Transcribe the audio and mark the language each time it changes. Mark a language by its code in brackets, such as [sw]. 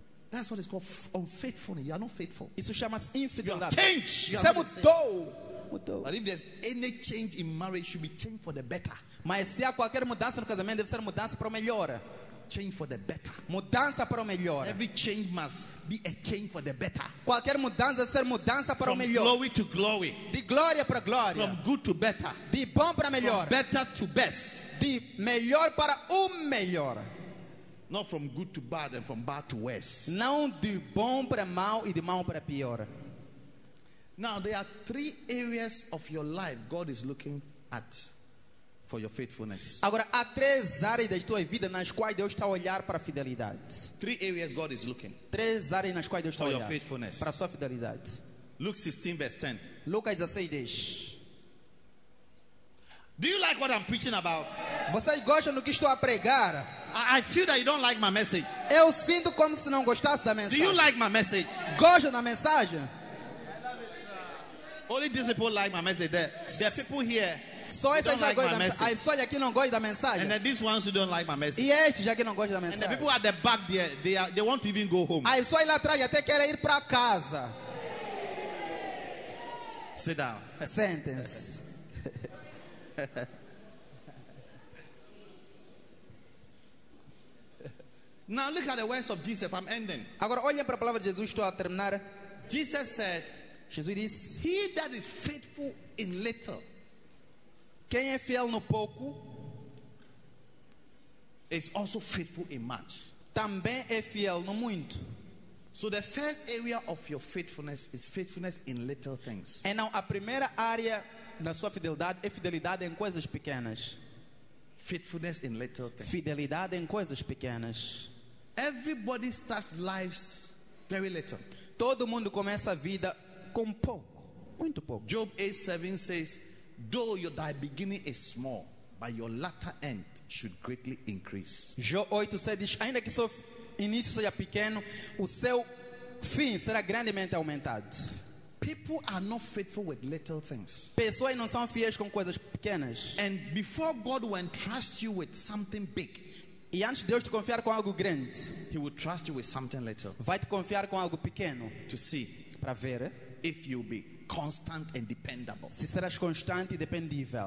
[en] That's what it's called unfaithfulness. You are not faithful. [pt] Isso chama-se infidelidade. [en] Change. [pt] Você mudou. Mudou. [en] But if there's any change in marriage, it should be change for the better. [pt] Mas se há qualquer mudança no casamento, deve ser mudança para o melhor. [en] Change for the better. [pt] Mudança para o melhor. [en] Every change must be a change for the better. [pt] Qualquer mudança deve ser mudança para [en] From [pt] o melhor. [en] From glory to glory. [pt] De glória para glória. [en] From good to better. [pt] De bom para melhor. [en] From better to best. [pt] De melhor para o melhor. [en] Not from good to bad and from bad to worse. [pt] Não de bom para mal e de mal para pior. [en] Now there are three areas of your life God is looking at for your faithfulness. [pt] Agora há três áreas da tua vida nas quais Deus está a olhar para a fidelidade. [en] Three areas God is looking. [pt] Três áreas nas quais Deus está a olhar [en] for your faithfulness. [pt] Para a sua fidelidade. [en] Luke 16 verse 10. [pt] Lucas 16 diz. [en] Do you like what I'm preaching about? [pt] Você gosta do que estou a pregar? [en] I feel that you don't like my message. [pt] Eu sinto como se não gostasse da mensagem. [en] Do you like my message? [pt] Gosta da mensagem? [en] Only these people like my message. There are people here. [pt] Só esses aqui não gostam da mensagem. Só aqui não gostam da mensagem. [en] And then these ones who don't like my message. [pt] E estes aqui não gostam da mensagem. [en] And the people at the back there, they want to even go home. [pt] Aí só lá atrás até querem ir para casa. [en] Sit down. [pt] Sentence. [en] Now look at the words of Jesus. I'm ending. [pt] Agora olha para a palavra de Jesus. Estou a terminar. [en] Jesus said, [pt] Jesus disse, [en] he that is faithful in little, [pt] quem é fiel no pouco, [en] is also faithful in much. [pt] Também é fiel no muito. [en] So the first area of your faithfulness is faithfulness in little things. [pt] E não a primeira área na sua fidelidade é fidelidade em coisas pequenas. [en] Faithfulness in little things. [pt] Fidelidade em coisas pequenas. [en] Everybody starts lives very little. [pt] Todo mundo começa a vida com pouco, muito pouco. [en] Job 8:7 says, though your thy beginning is small, but your latter end should greatly increase. [pt] Job 8:7 diz, ainda que seu início seja pequeno, o seu fim será grandemente aumentado. [en] People are not faithful with little things. [pt] Pessoas não são fiéis com coisas pequenas. [en] And before God will entrust you with something big, [pt] e antes de Deus te confiar com algo grande, [en] he will trust you with something little. [pt] Vai te confiar com algo pequeno. [en] To see, [pt] para ver, [en] if you'll be constant and dependable. [pt] Se serás constante e dependível.